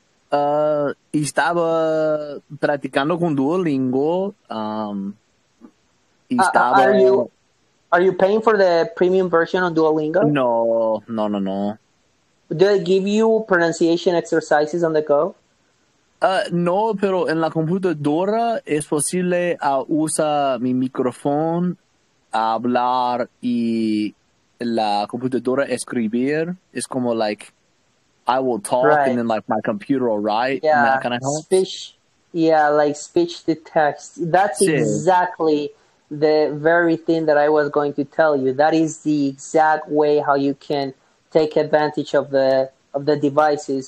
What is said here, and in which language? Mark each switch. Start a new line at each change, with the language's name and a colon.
Spanish: Estaba practicando con Duolingo. Estaba...
English: Are you paying for the premium version on Duolingo? No. Do they give you pronunciation exercises on the go?
Spanish: No, pero en la computadora es posible usar mi micrófono, hablar y la computadora escribir.
English: It's como like, I will talk right. And then like my computer will write. Yeah, and that kind of helps. Like speech to text. That's exactly the very thing that I was going to tell you. That is the exact way how you can take advantage of the devices.